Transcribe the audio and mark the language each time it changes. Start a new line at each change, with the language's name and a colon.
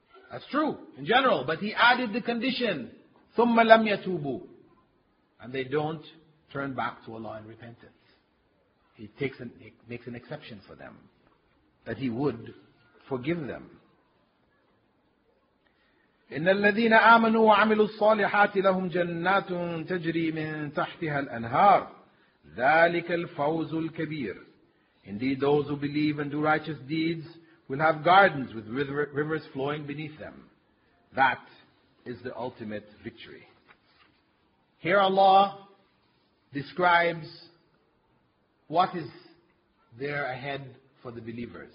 English: That's true, in general. But he added the condition,
Arabic: ثُمَّ لَمْ يَتُوبُ.
English: And they don't turn back to Allah in repentance. He makes an exception for them, that He would forgive them.
Arabic: إن الذين آمنوا وعملوا الصالحات لهم جنات تجري من تحتها الأنهار ذلك الفوز الكبير.
English: Indeed, those who believe and do righteous deeds will have gardens with rivers flowing beneath them. That is the ultimate victory. Here Allah describes what is there ahead for the believers.